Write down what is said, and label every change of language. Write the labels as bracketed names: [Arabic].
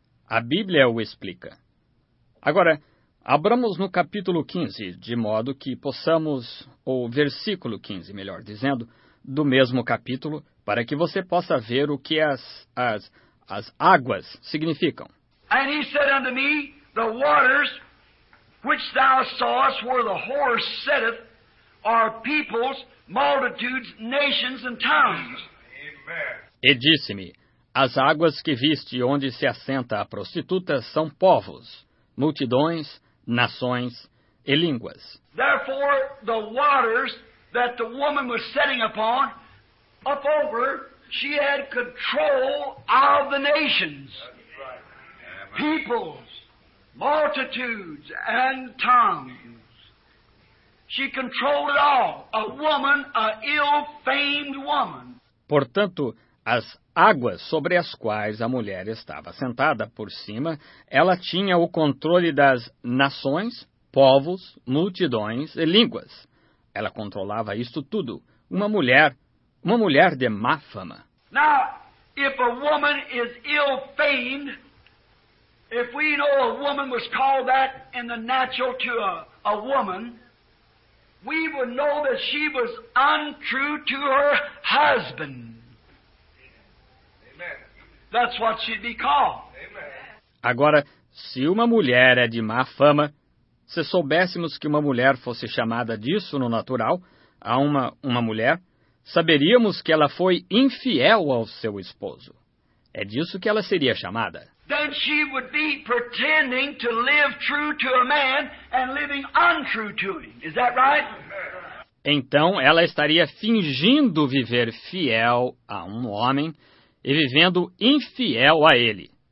[Portuguese] A Bíblia o explica. Agora, abramos no capítulo 15, de modo que possamos, ou versículo 15, melhor dizendo, do mesmo capítulo, para que você possa ver o que as águas significam. [English] And he said unto me, the waters which thou sawest where the whore setteth are peoples, multitudes, nations and tongues. [Portuguese] E disse-me, as águas que viste onde se assenta a prostituta são povos, multidões, nações e línguas. [English] Therefore, the waters that the woman was setting upon, up over, she had control of the nations, peoples, multitudes and tongues. She controlled it all. A woman, a ill-famed woman. [Portuguese] Portanto, as águas sobre as quais a mulher estava sentada por cima, ela tinha o controle das nações, povos, multidões e línguas. Ela controlava isto tudo. Uma mulher de má fama. [English] Now, if a woman is ill-famed, if we know a woman was called that in the natural to a woman, we would know that she was untrue to her husband. Amen. That's what she'd be called. Amen. [Portuguese] Agora, se uma mulher é de má fama, se soubéssemos que uma mulher fosse chamada disso no natural, a uma mulher, saberíamos que ela foi infiel ao seu esposo. É disso que ela seria chamada. [English] Then she would be pretending to live true to a man and living untrue to him. Is that right? [Portuguese] Então, ela estaria fingindo viver fiel a homem e vivendo infiel a ele.